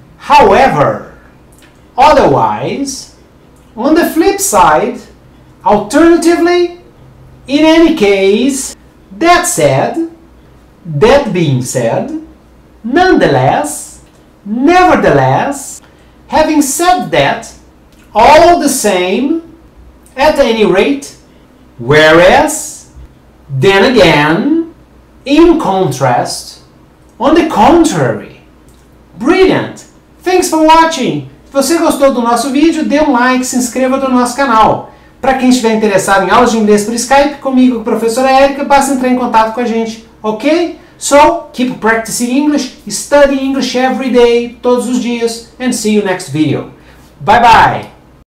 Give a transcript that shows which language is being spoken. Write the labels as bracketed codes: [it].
[en] However, otherwise, on the flip side, alternatively, in any case, that said, that being said, nonetheless, nevertheless, having said that, all the same, at any rate, whereas, then again, in contrast, on the contrary. Brilliant! Thanks for watching! [pt] Se você gostou do nosso vídeo, dê um like, se inscreva no nosso canal. Para quem estiver interessado em aulas de inglês por Skype, comigo, com a professora Erika, basta entrar em contato com a gente, ok? [en] So, keep practicing English, study English every day, [pt] todos os dias, [en] and see you next video. Bye-bye!